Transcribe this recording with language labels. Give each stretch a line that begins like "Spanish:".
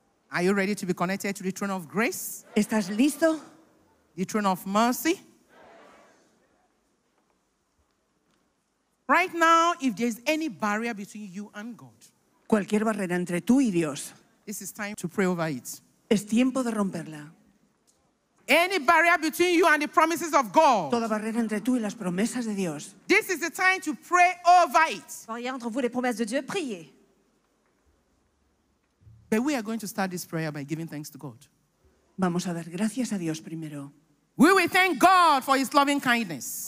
English: Are you ready to be connected to the throne of grace?
Spanish: ¿Estás listo?
English: The throne of mercy. Right now, if there's any barrier between you and God,
Spanish: cualquier barrera entre tú y Dios,
English: this is time to pray over it.
Spanish: Es tiempo de romperla.
English: Any barrier between you and the promises of God,
Spanish: toda barrera entre tú y las promesas de Dios,
English: this is the time to pray over it.
French: Barrière entre vous les promesses de Dieu, priez.
English: But we are going to start this prayer by giving thanks to God.
Spanish: Vamos a dar gracias a Dios primero.
English: We will thank God for His loving kindness.